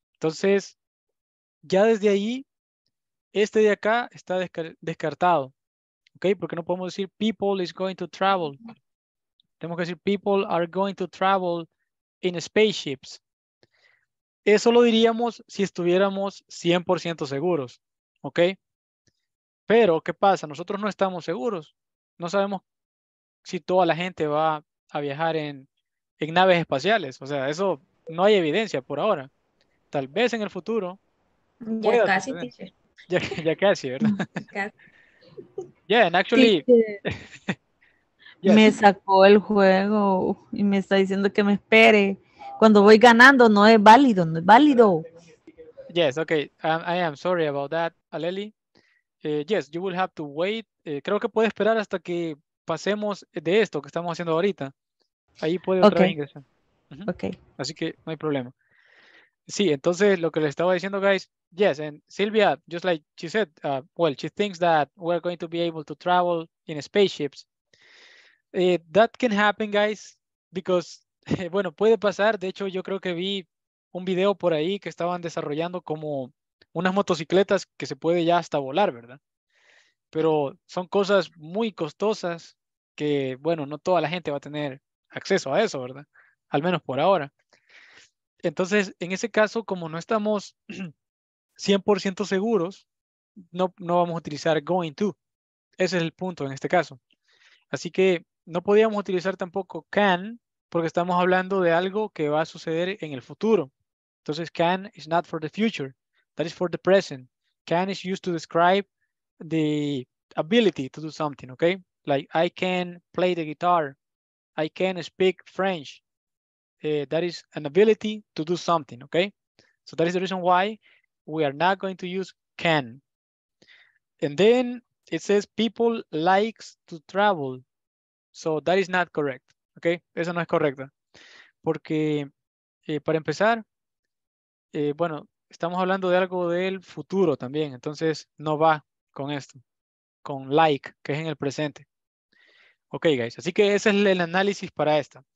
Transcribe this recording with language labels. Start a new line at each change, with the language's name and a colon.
Spanish: Entonces, ya desde ahí, este de acá está descartado. Okay, porque no podemos decir
English: people is going to travel.
Spanish: Tenemos que decir
English: people are going to travel in spaceships.
Spanish: Eso lo diríamos si estuviéramos 100% seguros, ¿ok? Pero, ¿qué pasa? Nosotros no estamos seguros. No sabemos si toda la gente va a viajar en en naves espaciales. O sea, eso no hay evidencia por ahora. Tal vez en el futuro. Ya casi, teacher. Ya casi, ¿verdad? Ya,
English: yeah, and actually... Yes.
Spanish: Me sacó el juego y me está diciendo que me espere. Cuando voy ganando, no es válido, no es válido.
English: Yes, okay. I am sorry about that, Aleli. Yes, you will have to wait.
Spanish: Creo que puede esperar hasta que pasemos de esto que estamos haciendo ahorita. Ahí puede otra okay. ingresar.
English: Uh-huh. Okay.
Spanish: Así que no hay problema. Sí, entonces lo que le estaba diciendo, guys.
English: Yes, and Sylvia, just like she said, well, she thinks that we're going to be able to travel in spaceships. That can happen, guys, because,
Spanish: bueno, puede pasar. De hecho, yo creo que vi un video por ahí que estaban desarrollando como unas motocicletas que se puede ya hasta volar, ¿verdad? Pero son cosas muy costosas que, bueno, no toda la gente va a tener acceso a eso, ¿verdad? Al menos por ahora. Entonces, en ese caso, como no estamos 100% seguros, no vamos a utilizar going to. Ese es el punto en este caso. Así que no podíamos utilizar tampoco can, porque estamos hablando de algo que va a suceder en el futuro.
English: Entonces, can is not for the future. That is for the present. Can is used to describe the ability to do something, okay? Like, I can play the guitar. I can speak French. That is an ability to do something, okay? So that is the reason why we are not going to use can. And then it says people likes to travel. So that is not correct, okay?
Spanish: Eso no es correcto. Porque para empezar, bueno, estamos hablando de algo del futuro también. Entonces no va con esto, con like, que es en el presente.
English: Okay, guys,
Spanish: así que ese es el análisis para esta.